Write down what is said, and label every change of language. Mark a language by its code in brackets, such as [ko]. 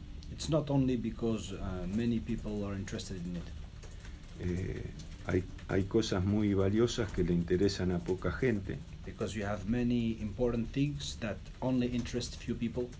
[en] It's not only because many people are interested in it. [es] Hay cosas muy valiosas que le interesan a poca gente. [en] Because you have many important things that only interest few people.